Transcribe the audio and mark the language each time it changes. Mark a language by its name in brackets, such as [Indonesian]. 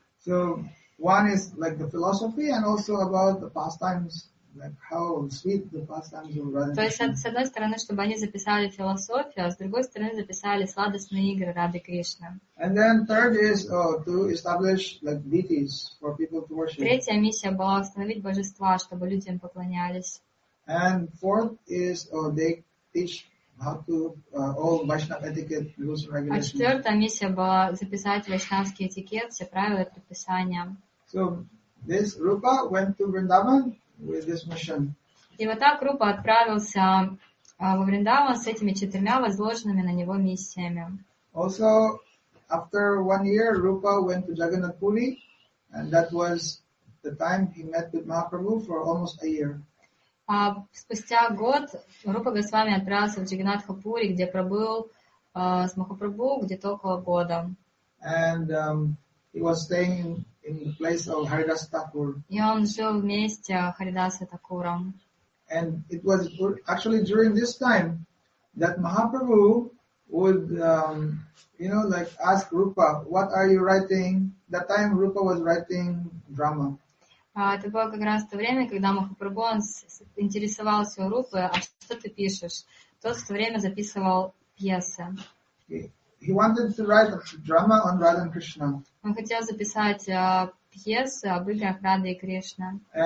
[English] So one is like the philosophy and also about the pastimes, like how sweet the pastimes of Radha. [Russian] То есть, с одной стороны, чтобы они записали философию, а с другой стороны, записали сладостные игры Рады Кришны. [English] And then third is to establish like deities for people to worship. [Russian] Третья миссия была установить божества, чтобы людям поклонялись. [English] And fourth is they teach how to all Vaishnava etiquette rules and regulations. [Russian] А четвертая миссия была записать вайшнавский этикет, все правила и предписания. [English] So this Rupa went to Vrindavan with this mission. [Russian] И вот так Рупа отправился во Вриндаван с этими четырьмя возложенными на него миссиями. [English] Also, after one year, Rupa went to Jagannath Puri, and that was the time he met with Mahaprabhu for almost a year. [Russian] А спустя год Рупа Госвами отправился в Джагнатхапури, где пробыл с Махапрабху где-то около года. [English] And he was staying in the place of Haridasa Thakur. [Russian] И он жил вместе Харидаса Такура. [English] And it was actually during this time that Mahaprabhu would, you know, like ask Rupa, what are you writing? That time Rupa was writing drama. [Russian] Это было как раз то время, когда Махапрабху интересовался у Рупы, а что ты пишешь? Тот в то время записывал пьесы. [English] He wanted to write a drama on Radha and Krishna. [Russian] Он хотел записать пьесы об играх Рады и Кришны.